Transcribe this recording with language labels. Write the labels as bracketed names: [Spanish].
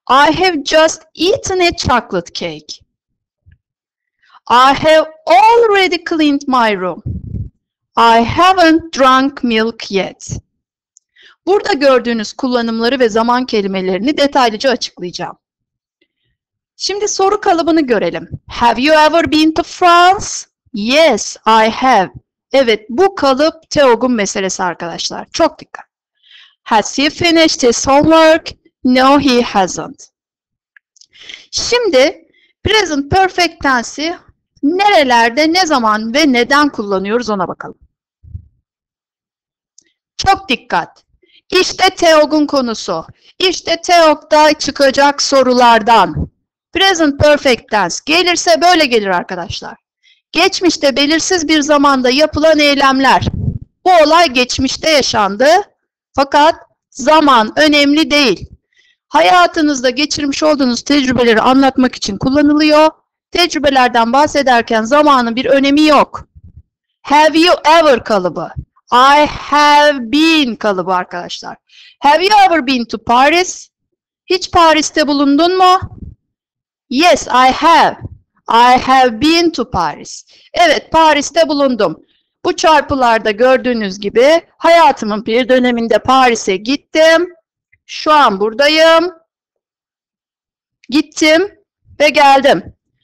[English] I have just eaten a chocolate cake. I have already cleaned my room. I haven't drunk milk yet. [Turkish] Burada gördüğünüz kullanımları ve zaman kelimelerini detaylıca açıklayacağım. Şimdi soru kalıbını görelim. [English] Have you ever been to France? Yes, I have. [Turkish] Evet, bu kalıp Teog'un meselesi arkadaşlar. Çok dikkat. [English] Has he finished his homework? No, he hasn't. [Turkish] Şimdi present perfect tense'i nerelerde, ne zaman ve neden kullanıyoruz ona bakalım. Çok dikkat. İşte Teog'un konusu. İşte Teog'da çıkacak sorulardan. Present perfect tense gelirse böyle gelir arkadaşlar. Geçmişte belirsiz bir zamanda yapılan eylemler. Bu olay geçmişte yaşandı. Fakat zaman önemli değil. Hayatınızda geçirmiş olduğunuz tecrübeleri anlatmak için kullanılıyor. Tecrübelerden bahsederken zamanın bir önemi yok. Have you ever kalıbı. I have been kalıbı arkadaşlar. [English] Have you ever been to Paris? [Turkish] Hiç Paris'te bulundun mu? [English] Yes, I have. I have been to Paris. [Turkish] Evet, Paris'te bulundum. Bu çarpılarda gördüğünüz gibi hayatımın bir döneminde Paris'e gittim. Şu an buradayım. Gittim ve geldim.